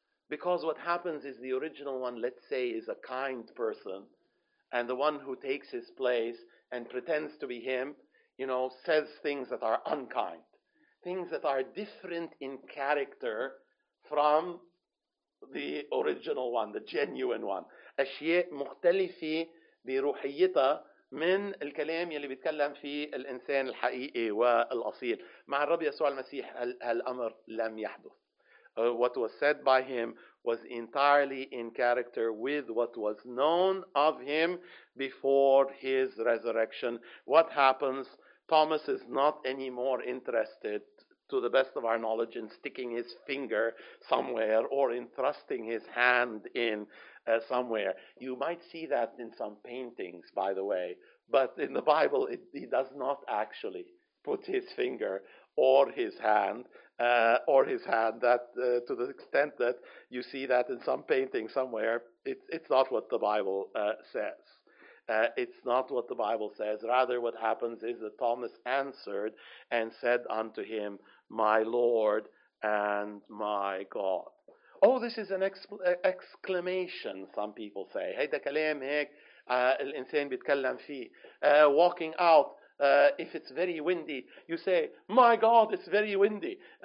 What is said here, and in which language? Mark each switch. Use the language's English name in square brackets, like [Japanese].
[English] Because what happens is the original one, let's say, is a kind person, and the one who takes his place and pretends to be him, you know, says things that are unkind, things that are different in character from the original one, the genuine one. [Arabic] أشياء مختلفة بروحيتها من الكلام يلي بيتكلم فيه الإنسان الحقيقي والأصيل. مع الرب يسوع المسيح هالأمر لم يحدث. [English] What was said by him was entirely in character with what was known of him before his resurrection. What happens? Thomas is not any more interested, to the best of our knowledge, in sticking his finger somewhere or in thrusting his hand in somewhere. You might see that in some paintings, by the way, but in the Bible, he does not actually put his finger or his hand that to the extent that you see that in some painting somewhere, it's not what the Bible says. It's not what the Bible says. Rather, what happens is that Thomas answered and said unto him, "My Lord and my God." Oh, this is an exclamation, some people say. [Arabic] هيدا كلام هيك الإنسان بيتكلم فيه. [English] Walking out, if it's very windy, you say, "My God, it's very windy."